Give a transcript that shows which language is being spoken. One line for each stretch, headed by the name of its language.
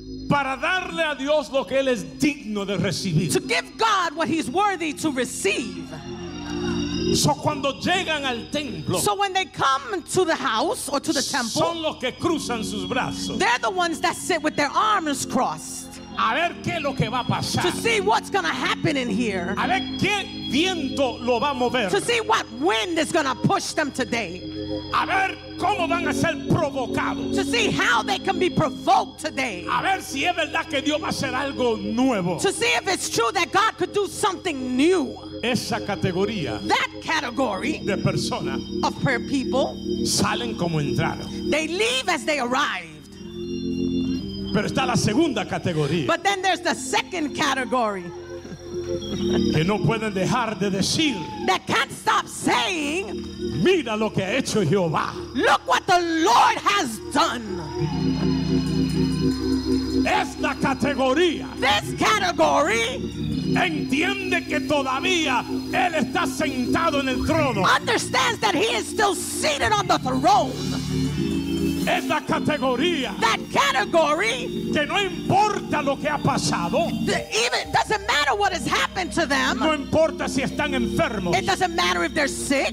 Spanish: Para darle a Dios lo que él es digno de recibir.
English: To give God what he's worthy to receive.
Spanish: So cuando llegan al templo.
English: So when they come to the house or to the temple.
Spanish: Son los que cruzan sus brazos.
English: They're the ones that sit with their arms crossed.
Spanish: A ver qué es lo que va a pasar.
English: To see what's going to happen in here.
Spanish: A ver qué viento lo va a mover.
English: To see what wind is going to push them today.
Spanish: A ver cómo van a ser provocados.
English: To see how they can be provoked today.
Spanish: A ver si es verdad que Dios va a hacer algo nuevo.
English: To see if it's true that God could do something new.
Spanish: Esa categoría.
English: That category.
Spanish: De persona.
English: Of prayer people.
Spanish: Salen como entraron.
English: They leave as they arrive.
Spanish: Pero está la segunda categoría.
English: But then there's the second category.
Spanish: Que no pueden dejar de decir.
English: That can't stop saying.
Spanish: Mira lo que ha hecho Jehová.
English: Look what the Lord has done.
Spanish: Esta categoría.
English: This category.
Spanish: Entiende que todavía él está sentado en el trono.
English: Understands that he is still seated on the throne.
Spanish: Es la categoría.
English: That category.
Spanish: Que no importa lo que ha pasado.
English: Even doesn't matter what has happened to them.
Spanish: No importa si están enfermos.
English: It doesn't matter if they're sick.